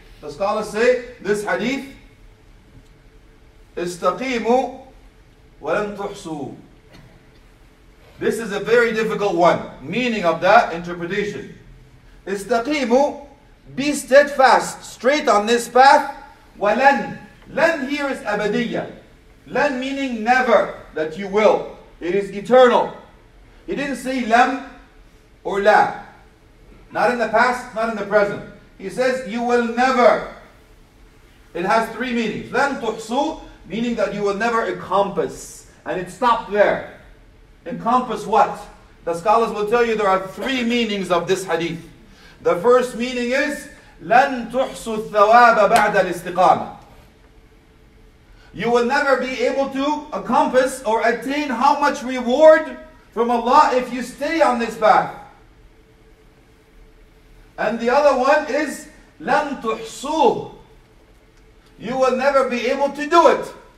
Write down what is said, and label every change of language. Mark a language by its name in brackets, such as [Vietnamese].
[English] The scholars say this hadith, [Arabic] استقيموا ولن تحصوا. [English] This is a very difficult one. Meaning of that interpretation. استقيموا, be steadfast, straight on this path. [Arabic] ولن, لن [English] here is [Arabic] أبدية. [English] لن meaning never, that you will. It is eternal. He didn't say لم or لا. Not in the past, not in the present. He says you will never. It has three meanings. [Arabic] لن تحصوا, [English] meaning that you will never encompass. And it stopped there. Encompass what? The scholars will tell you there are three meanings of this hadith. The first meaning is, [Arabic] لن تحصوا الثواب بعد الاستقامة. [English] You will never be able to encompass or attain how much reward from Allah if you stay on this path. And the other one is, [Arabic] لن تحصوا. [English] You will never be able to do it.